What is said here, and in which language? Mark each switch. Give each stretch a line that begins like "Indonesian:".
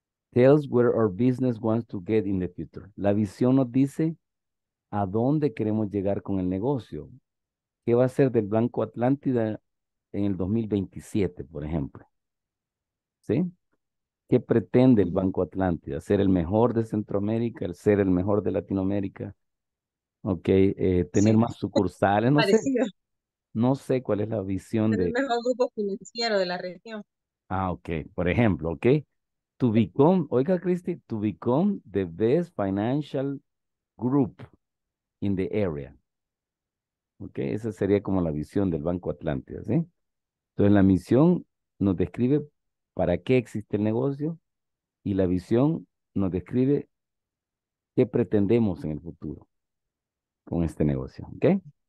English: Tells where our business wants to get in the future.
Spanish: La visión nos dice a dónde queremos llegar con el negocio. ¿Qué va a ser del Banco Atlántida en el 2027, por ejemplo? ¿Sí? ¿Qué pretende el Banco Atlántida? ¿Ser el mejor de Centroamérica? ¿Ser el mejor de Latinoamérica? ¿Ok? ¿Tener más sucursales? No sé. No sé cuál es la visión de... El mejor grupo financiero de la región. Ah, ok. Por ejemplo, ¿ok?
English: To become,
Spanish: oiga,
English: Cristi, to become the best financial group in the area.
Spanish: ¿Ok? Esa sería como la visión del Banco Atlántida, ¿sí? Entonces, la misión nos describe... ¿Para qué existe el negocio? Y la visión nos describe qué pretendemos en el futuro con este negocio, ¿ok?